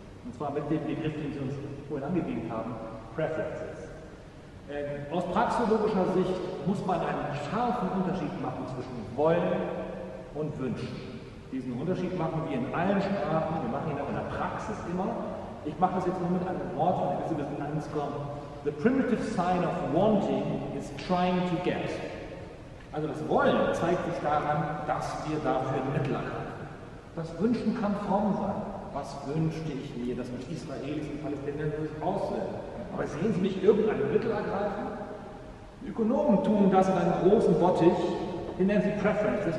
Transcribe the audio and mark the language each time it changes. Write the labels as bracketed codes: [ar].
[de] Und zwar mit dem Begriff, den Sie uns vorhin angegeben haben, Preferences. Aus praxeologischer Sicht muss man einen scharfen Unterschied machen zwischen Wollen und Wünschen. Diesen Unterschied machen wir in allen Sprachen, wir machen ihn auch in der Praxis immer. Ich mache das jetzt nur mit einem Wort, damit Sie ein bisschen ankommen. [en] The primitive sign of wanting is trying to get. [de] Also das Wollen zeigt sich daran, dass wir dafür Mittel haben. Das Wünschen kann fromm sein. Was wünschte ich mir, dass mich Israelis und Palästinenser durchaus will? Aber sehen Sie mich irgendein Mittel ergreifen? Die Ökonomen tun das in einem großen Bottich, den nennen sie Preferences.